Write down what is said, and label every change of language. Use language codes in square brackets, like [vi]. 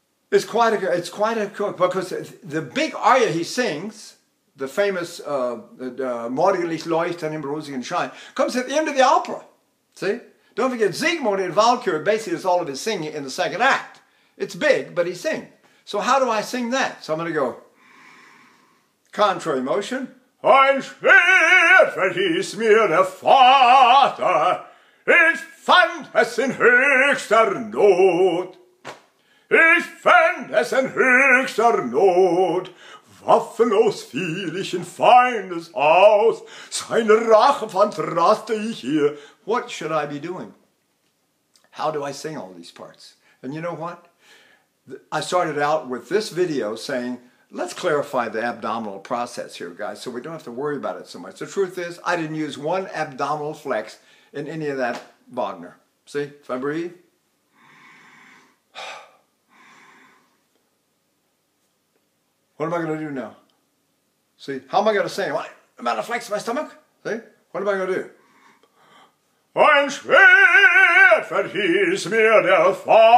[en] It's quite a cook, because the big aria he sings, the famous [de] Morgenlicht leuchten im rosigen Schein, [en] comes at the end of the opera, see? Don't forget, Siegmund in Walküre basically is all of his singing in the second act. It's big, but he sings. So how do I sing that? So I'm going to go, contrary motion. [de] Ein Schwert verhieß mir der Vater, ich fand es in höchster Not. Ich fand es in höchster Not. Waffenlos fiel ich in Feindes Haus, seine Rache fand raste ich hier. [en] What should I be doing? How do I sing all these parts? And you know what? I started out with this video saying, let's clarify the abdominal process here, guys, so we don't have to worry about it so much. The truth is, I didn't use one abdominal flex in any of that Wagner. See, if I breathe. What am I going to do now? See, how am I going to sing? Am I going to flex my stomach? See, what am I going to do? [de] Ein Schwert verhieß mir der Vater.